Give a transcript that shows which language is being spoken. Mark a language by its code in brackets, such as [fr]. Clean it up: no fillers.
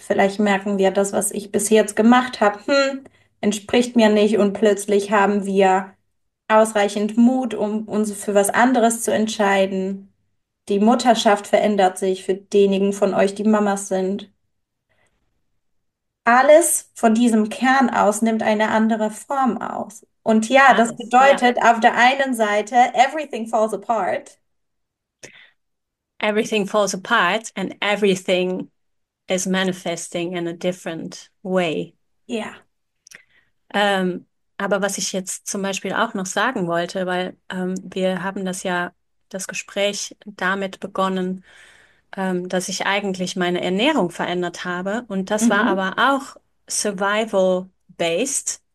[de] Vielleicht merken wir, das, was ich bis jetzt gemacht habe, entspricht mir nicht und plötzlich haben wir ausreichend Mut, um uns für was anderes zu entscheiden. Die Mutterschaft verändert sich für diejenigen von euch, die Mamas sind. Alles von diesem Kern aus nimmt eine andere Form aus. Und ja, das Alles, ja. bedeutet auf der einen Seite, [en] everything falls apart. Everything falls apart and everything is manifesting in a different way. [de] Aber was ich jetzt zum Beispiel auch noch sagen wollte, weil wir haben das ja das Gespräch damit begonnen, dass ich eigentlich meine Ernährung verändert habe und das war aber auch survival-based.